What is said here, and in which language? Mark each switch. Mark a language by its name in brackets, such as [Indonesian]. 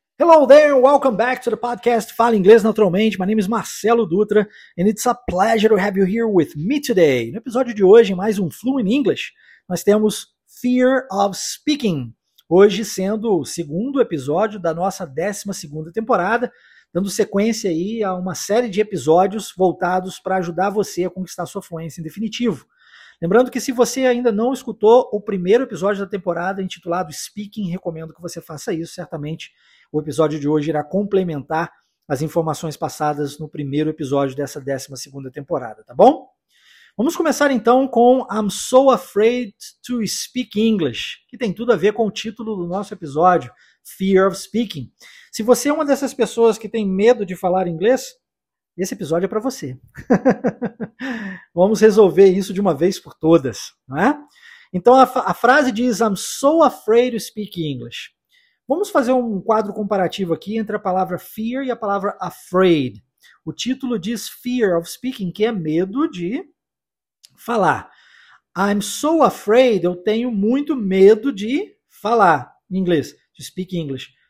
[English] Hello there, and welcome back to the podcast Fala Inglês Naturalmente. My name is Marcelo Dutra, and it's a pleasure to have you here with me today. [Portuguese] No episódio de hoje, mais Fluent English, nós temos Fear of Speaking, hoje sendo o segundo episódio da nossa 12ª temporada, dando sequência aí a uma série de episódios voltados para ajudar você a conquistar sua fluência em definitivo. Lembrando que se você ainda não escutou o primeiro episódio da temporada intitulado Speaking, recomendo que você faça isso, certamente o episódio de hoje irá complementar as informações passadas no primeiro episódio dessa 12ª temporada, tá bom? Vamos começar então com [English] I'm so afraid to speak English, [Portuguese] que tem tudo a ver com o título do nosso episódio, Fear of Speaking. Se você é uma dessas pessoas que tem medo de falar inglês, esse episódio é para você. Vamos resolver isso de uma vez por todas, não é? Então a frase diz [English] I'm so afraid to speak English. [Portuguese] Vamos fazer um quadro comparativo aqui entre a palavra fear e a palavra afraid. O título diz fear of speaking, que é medo de falar. [English] I'm so afraid, [Portuguese] eu tenho muito medo de falar em inglês, [English] to speak English.